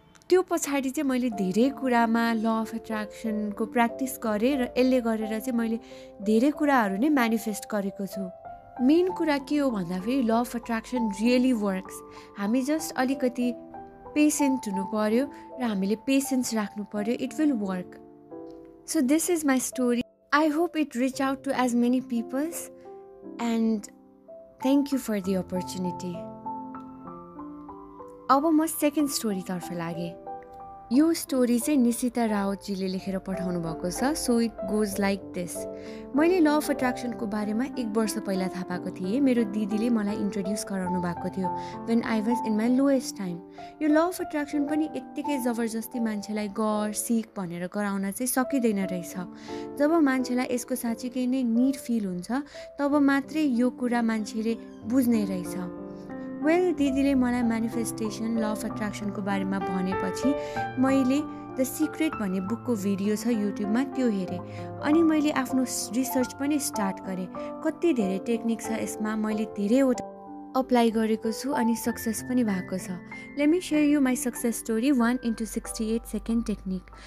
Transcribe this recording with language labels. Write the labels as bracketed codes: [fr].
[ne] त्यो पछाडि चाहिँ मैले धेरै कुरामा ल अफ एट्र्याक्सनको प्र्याक्टिस गरेँ र यसले गरेर चाहिँ मैले धेरै कुराहरू नै म्यानिफेस्ट गरेको छु। मेन कुरा के हो भन्दाखेरि law of attraction [en] Really works. [ne] हामी जस्ट अलिकति पेसेन्ट हुनु पऱ्यो र हामीले पेसेन्स राख्नु पऱ्यो, [en] It will work. So this is my story. I hope it reach out to as many peoples and thank you for the opportunity. [ne] अब म सेकेन्ड स्टोरीतर्फ लागेँ। यो स्टोरी चाहिँ निशिता रावतजीले लेखेर पठाउनु भएको छ, [en] So it goes like this. [ne] मैले ल अफ एट्र्याक्सनको बारेमा एक वर्ष पहिला थाहा पाएको थिएँ। मेरो दिदीले मलाई इन्ट्रोड्युस गराउनु भएको थियो [en] When I was in my lowest time. [ne] यो ल अफ एट्र्याक्सन पनि यत्तिकै जबरजस्ती मान्छेलाई गर सिक भनेर गराउन चाहिँ सकिँदैन रहेछ। जब मान्छेलाई यसको साँच्चीकै नै निड फिल हुन्छ तब मात्रै यो कुरा मान्छेले बुझ्ने रहेछ। वेल, दिदीले मलाई मेनिफेस्टेसन ल अफ एट्र्याक्सनको बारेमा भनेपछि मैले द सिक्रेट भन्ने बुकको भिडियो छ युट्युबमा त्यो हेरेँ, अनि मैले आफ्नो रिसर्च पनि स्टार्ट गरेँ। कति धेरै टेक्निक छ यसमा, मैले धेरैवटा अप्लाई गरेको छु अनि सक्सेस पनि भएको छ। [en] Let me share you my success story 1x68 second technique.